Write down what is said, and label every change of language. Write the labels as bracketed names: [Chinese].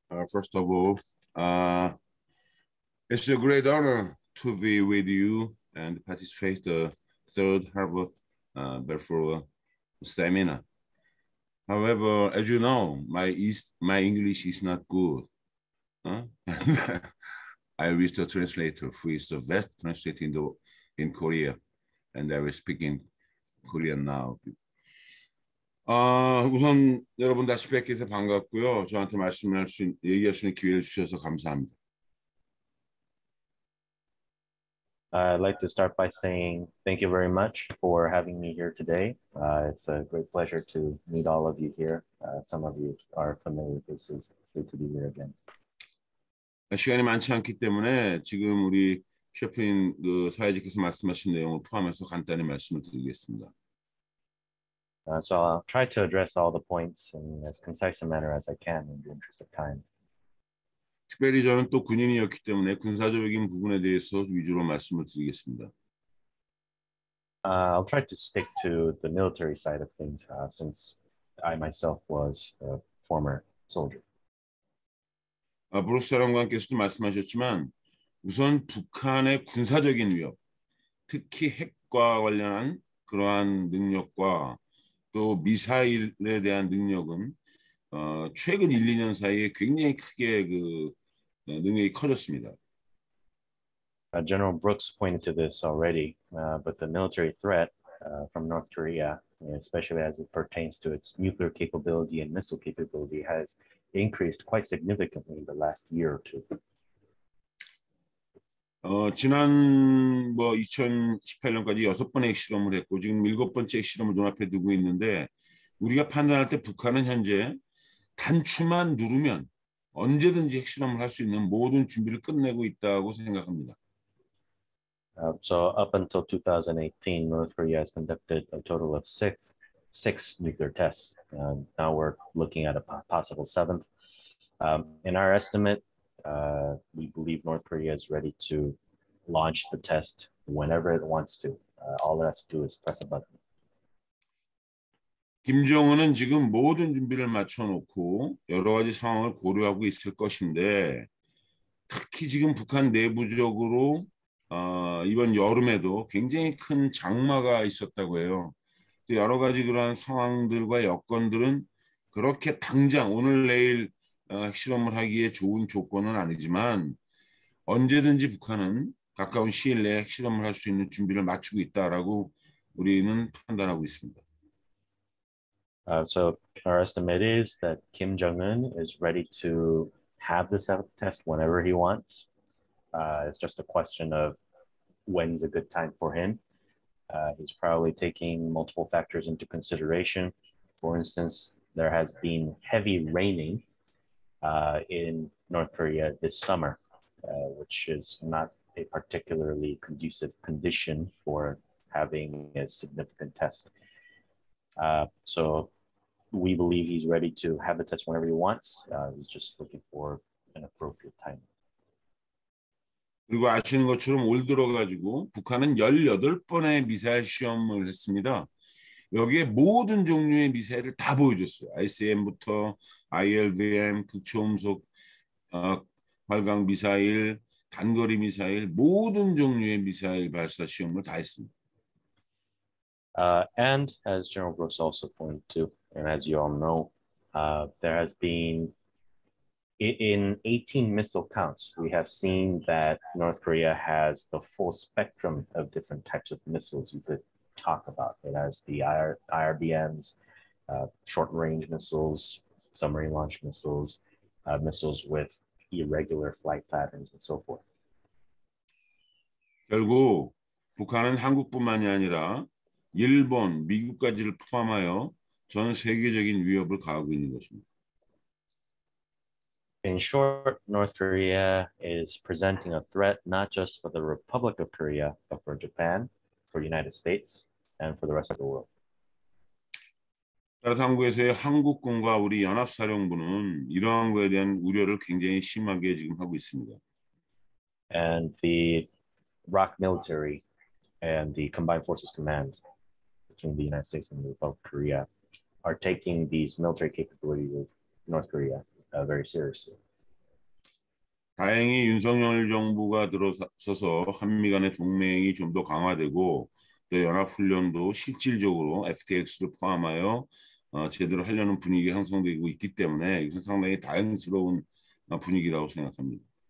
[English] First of all, it's a great honor to be with you and participate the third Harvard Belfer seminar. However, as you know, my English is not good. I wish the translator, who is the best translator in Korea, and I will speak in Korean now. [Korean] 우선 여러분 다시 뵙게 돼서 반갑고요. 저한테 말씀할 수 얘기할 수 있는 기회를 주셔서 감사합니다. [English] I'd like to start by saying thank you very much for having me here today. It's a great pleasure to meet all of you here. Some of you are familiar faces. Good to be here again. [Korean] 시간이 많지 않기 때문에 지금 우리 셰프님 그 사회자께서 말씀하신 내용을 포함해서 간단히 말씀을 드리겠습니다. [English] So I'll try to address all the points in as concise a manner as I can in the interest of time. [Korean] 특별히 저는 또 군인이었기 때문에 군사적인 부분에 대해서 위주로 말씀을 드리겠습니다. [English] I'll try to stick to the military side of things since I myself was a former soldier. [Korean] 브루스 사령관께서도 말씀하셨지만 우선 북한의 군사적인 위협, 특히 핵과 관련한 그러한 능력과 또 미사일에 대한 능력은 최근 1, 2년 사이에 굉장히 크게 그 능력이 커졌습니다. [English] General Brooks pointed to this already, but the military threat from North Korea, especially as it pertains to its nuclear capability and missile capability, has increased quite significantly in the last year or two. [Korean] 지난 뭐 2018년까지 여섯 번의 실험을 했고 지금 일곱 번째 실험을 눈앞에 두고 있는데 우리가 판단할 때 북한은 현재 단추만 누르면 언제든지 핵실험을 할 수 있는 모든 준비를 끝내고 있다고 생각합니다. [English] So up until 2018, North Korea has conducted a total of six nuclear tests. Now we're looking at a possible seventh. In our estimate, we believe North Korea is ready to launch the test whenever it wants to. All it has to do is press a button. [Korean] 김정은은 지금 모든 준비를 마쳐놓고 여러 가지 상황을 고려하고 있을 것인데 특히 지금 북한 내부적으로 이번 여름에도 굉장히 큰 장마가 있었다고 해요. 또 여러 가지 그러한 상황들과 여건들은 그렇게 당장 오늘 내일 핵실험을 하기에 좋은 조건은 아니지만 언제든지 북한은 가까운 시일 내에 핵실험을 할 수 있는 준비를 마치고 있다라고 우리는 판단하고 있습니다. [English] So our estimate is that Kim Jong-un is ready to have the seventh test whenever he wants. It's just a question of when's a good time for him. He's probably taking multiple factors into consideration. For instance, there has been heavy raining in North Korea this summer, which is not a particularly conducive condition for having a significant test. So we believe he's ready to have the test whenever he wants. He's just looking for an appropriate time. [Korean] 그리고 아시는 것처럼 올 들어가지고 북한은 18번의 미사일 시험을 했습니다. 여기에 모든 종류의 미사일을 다 보여줬어요. ICBM부터 ILBM, 극초음속 활강 미사일, 단거리 미사일, 모든 종류의 미사일 발사 시험을 다 했습니다. [English] And as General Brooks also pointed to, and as you all know, there has been, in 18 missile counts, we have seen that North Korea has the full spectrum of different types of missiles you could talk about. It has the IRBMs, short-range missiles, submarine launch missiles, missiles with irregular flight patterns, and so forth. [Korean] 결국 북한은 한국뿐만이 아니라 일본, 미국까지를 포함하여 전 세계적인 위협을 가하고 있는 것입니다. [English] In short, North Korea is presenting a threat not just for the Republic of Korea, but for Japan, for the United States, and for the rest of the world. [Korean] 따라서 한국에서의 한국군과 우리 연합사령부는 이러한 것에 대한 우려를 굉장히 심하게 지금 하고 있습니다. [English] And the ROC military and the Combined Forces Command between the United States and the Republic of Korea are taking these military capabilities of North Korea very seriously. [Korean] 다행히 윤석열 정부가 들어서서 한미 간의 동맹이 좀 더 강화되고 또 연합훈련도 실질적으로 FTX를 포함하여 제대로 하려는 분위기 형성되고 있기 때문에 이것은 상당히 다행스러운 분위기라고 생각합니다.